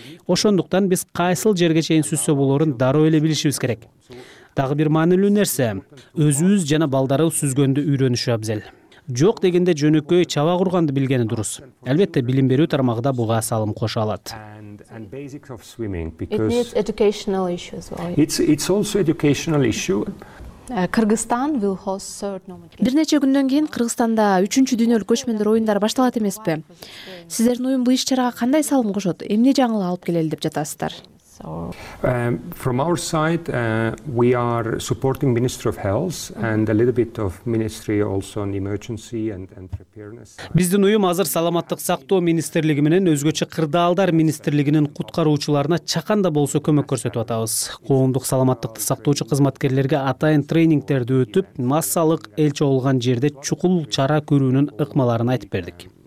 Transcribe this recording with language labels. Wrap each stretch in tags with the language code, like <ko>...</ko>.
<ky>Ошондуктан биз кайсыл жерге чейин сүзсө болорун дароо эле билишибиз керек. Дагы бир маанилүү нерсе, өзүбүз жана балдарыбыз сүзгөндү үйрөнүшү абзел. Жок дегенде жөнөкөй чаба курганды билгени дурус. Албетте билим берүү тармагында буга салым кошо алат.</ky> <en>And basics of swimming because it's educational issue as well. It's also educational issue. Кыргызстан will host certain Olympics.</en> <ky>Бир нече күндөн кийин Кыргызстанда 3-чү дүйнөлүк көчмөндөр оюндары башталат эмеспи? Сиздердин уюм бул иш-чарага кандай салым кошот? Эмне жаңылык алып келели деп жатасыздар?</ky> <en>From our side we are supporting Ministry of Health and a little bit of Ministry also on emergency and preparedness.</en> <ky>Биздин уюм азыр саламаттык сактоо министрлиги менен өзгөчө кырдаалдар министрлигинин куткаруучуларына чаканда болсо көмөк көрсөтүп атабыз. Коомдук саламаттыкты сактоочу кызматкерлерге атайын тренингдерди өтүп, массалык эл чогулган жерде чукул чара көрүүнүн ыкмаларын айтып бердик.</ky>